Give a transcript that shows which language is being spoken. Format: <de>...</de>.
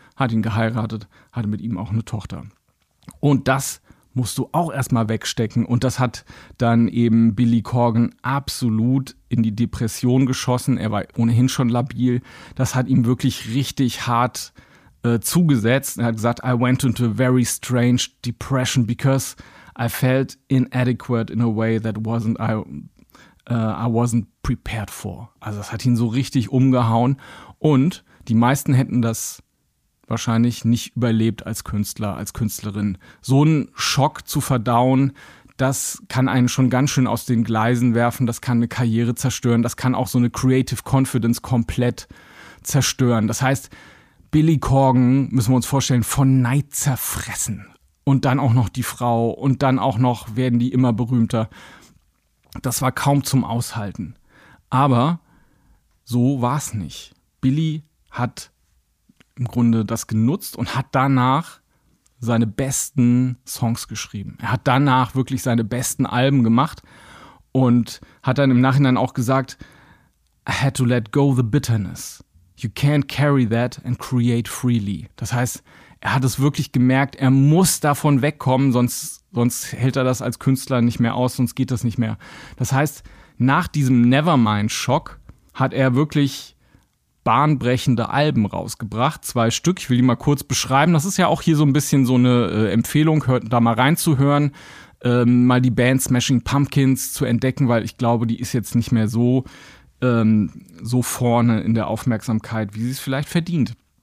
<de>Hat ihn geheiratet, hatte mit ihm auch eine Tochter. Und das musst du auch erstmal wegstecken. Und das hat dann eben Billy Corgan absolut in die Depression geschossen. Er war ohnehin schon labil. Das hat ihm wirklich richtig hart zugesetzt. Er hat gesagt,</de> <en>I went into a very strange depression because I felt inadequate in a way that wasn't I wasn't prepared for.</en> <de>Also das hat ihn so richtig umgehauen. Und die meisten hätten das wahrscheinlich nicht überlebt als Künstler, als Künstlerin. So einen Schock zu verdauen, das kann einen schon ganz schön aus den Gleisen werfen. Das kann eine Karriere zerstören. Das kann auch so eine Creative Confidence komplett zerstören. Das heißt, Billy Corgan, müssen wir uns vorstellen, von Neid zerfressen. Und dann auch noch die Frau. Und dann auch noch werden die immer berühmter. Das war kaum zum Aushalten. Aber so war es nicht. Billy hat im Grunde das genutzt und hat danach seine besten Songs geschrieben. Er hat danach wirklich seine besten Alben gemacht. und hat dann im Nachhinein auch gesagt,</de> <en>I had to let go the bitterness.</en> <de>You can't carry that and create freely. Das heißt, er hat es wirklich gemerkt, er muss davon wegkommen, sonst hält er das als Künstler nicht mehr aus, sonst geht das nicht mehr. Das heißt, nach diesem Nevermind-Schock hat er wirklich bahnbrechende Alben rausgebracht. Zwei Stück, ich will die mal kurz beschreiben. Das ist ja auch hier so ein bisschen so eine Empfehlung, da mal reinzuhören, mal die Band Smashing Pumpkins zu entdecken, weil ich glaube, die ist jetzt nicht mehr so, so vorne in der Aufmerksamkeit, wie sie es vielleicht verdient.</de>